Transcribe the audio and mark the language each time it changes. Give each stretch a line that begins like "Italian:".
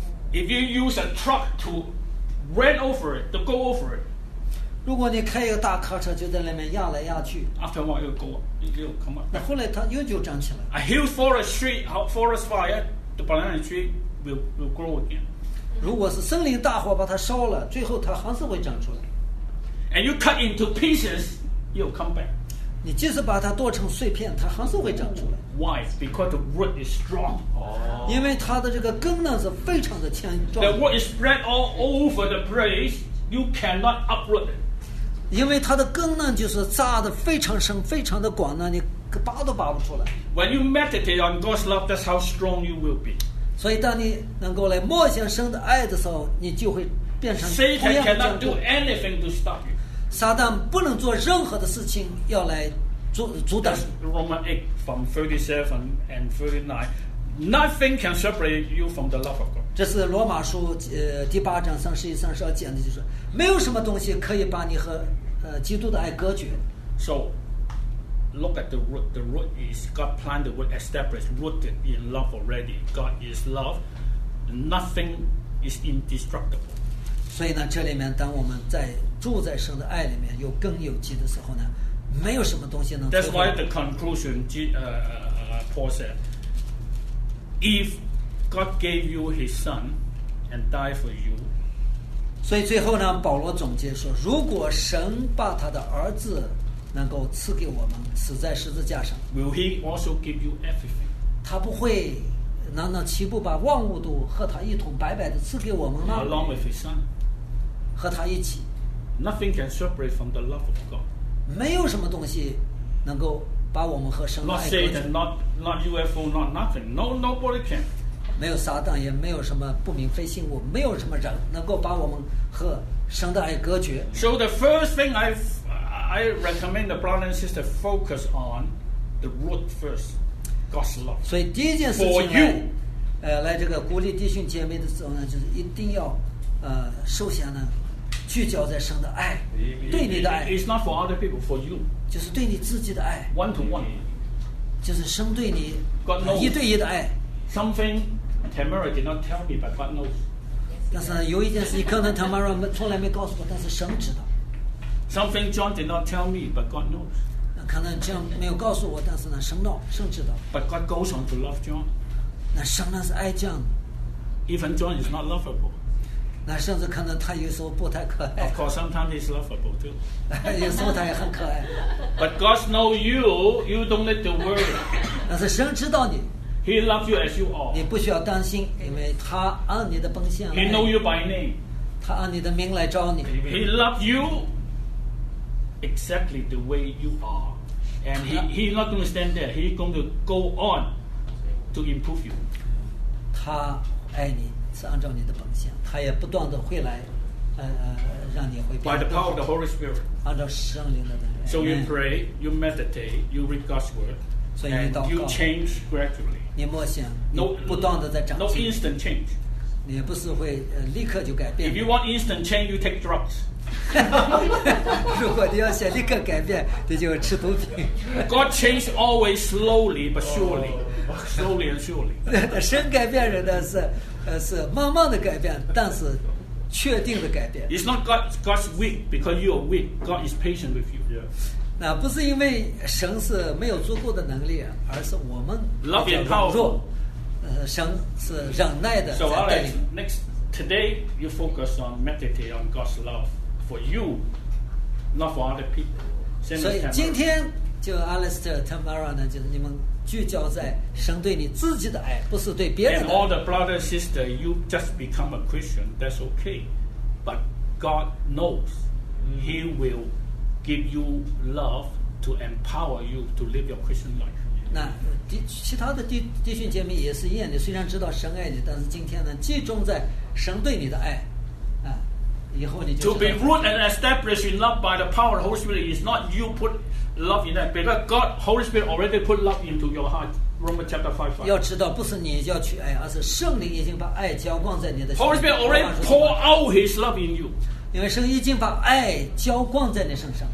English: If you use a truck to run over it, to go over it,
Chinese: 如果你开一个大卡车就在里面压来压去
English: ，after a while it'll go, it'll come up.
Chinese: 那后来它又就长起来。
English: A huge forest tree, forest fire, the banana tree will grow again.
Chinese: 如果是森林大火把它烧了，最后它还是会长出来。
English: And you cut into pieces, you'll come back.
Chinese: 你即使把它剁成碎片，它还是会长出来。
English: Why? Because the root is strong.
Chinese: 因为它的这个根呢是非常的强壮。
English: The root is spread all over the place, you cannot uproot it.
Chinese: 因为它的根呢就是扎的非常深，非常的广呢，你拔都拔不出来。
English: When you meditate on God's love, that's how strong you will be.
Chinese: 所以当你能够来默想神的爱的时候，你就会变成同样的坚固。
English: Satan cannot do anything to stop you.
Chinese: 撒旦不能做任何的事情要来阻挡你。
English: Romans 8 from 37 and 39. Nothing can separate you from the love of God.
Chinese: 这是罗马书第八章31-32讲的，就是没有什么东西可以把你和基督的爱隔绝。
English: So look at the root. The root is God planted the root, established, rooted in love already. God is love. Nothing is indestructible.
Chinese: 所以呢，这里面当我们在住在神的爱里面，有根有基的时候呢，没有什么东西能。
English: That's why the conclusion, Paul said, if God gave you His Son and died for you.
Chinese: 所以最后呢，保罗总结说，如果神把他的儿子能够赐给我们，死在十字架上。
English: Will he also give you everything?
Chinese: 他不会难道岂不把万物都和他一同白白的赐给我们吗？
English: Along with his son.
Chinese: 和他一起。
English: Nothing can separate from the love of God.
Chinese: 没有什么东西能够把我们和神爱隔绝。
English: Not Satan, not UFO, not nothing. No, nobody can.
Chinese: 没有撒旦，也没有什么不明飞行物，没有什么人能够把我们和神的爱隔绝。
English: So the first thing I recommend the brother and sister focus on the root first, God's love.
Chinese: 所以第一件事情呢，来这个鼓励弟兄姐妹的时候呢，就是一定要首先呢聚焦在神的爱，对你的爱。
English: It's not for other people, for you.
Chinese: 就是对你自己的爱。
English: One to one.
Chinese: 就是神对你
English: God knows,
Chinese: 一对一的爱。
English: Something Tamara did not tell me, but God knows.
Chinese: 但是有一件事情刚才 Tamara 从来没告诉我，但是神知道。
English: Something John did not tell me, but God knows.
Chinese: 可能 John 没有告诉我，但是呢，神知道。
English: But God goes on to love John.
Chinese: 那神呢是爱 John.
English: Even John is not lovable.
Chinese: 那甚至可能他有时候不太可爱。
English: Of course, sometimes he's lovable too.
Chinese: 有时候他也很可爱。
English: But God knows you don't need to worry.
Chinese: 但是神知道你。
English: He loves you as you are.
Chinese: 你不需要担心，因为他按你的本性。
English: He knows you by name.
Chinese: 他按你的名来招你。
English: He loves you. Exactly the way you are, and he's not going to stand there. He's going to go on to improve you.
Chinese: 他爱你是按照你的本性，他也不断的会来，让你会变。
English: By the power of the Holy Spirit.
Chinese: 按照圣灵的能力。
English: So you pray, you meditate, you read God's word, and you change gradually.
Chinese: 你默想，你不断的在长进。
English: No instant change.
Chinese: 你不是会立刻就改变。
English: If you want instant change, you take drugs.
Chinese: 如果你要想立刻改变，你就吃毒品。
English: God change always slowly but surely, slowly and surely.
Chinese: 神改变人呢是慢慢的改变，但是确定的改变。
English: It's not God's weak because you are weak. God is patient with you.
Chinese: 那不是因为神是没有足够的能力，而是我们比较软弱。神是忍耐的。
English: So Alex, today you focus on meditate on God's love. For you, not for other people.
Chinese: 所以今天就 Alistair Tamara 呢，就是你们聚焦在神对你自己的爱，不是对别人的爱。
English: And all the brother sister, you just become a Christian, that's okay. But God knows, He will give you love to empower you to live your Christian life.
Chinese: 那其他的弟兄姐妹也是一样，你虽然知道神爱你，但是今天呢，集中在神对你的爱。以后你就
English: to be rooted and established in love by the power of the Holy Spirit is not you put love in that, because God, Holy Spirit already put love into your heart. Romans chapter 5.
Chinese: 要知道，不是你要去爱，而是圣灵已经把爱浇灌在你的心。
English: Holy Spirit already pour out His love in you.
Chinese: 因为神已经把爱浇灌在你身上。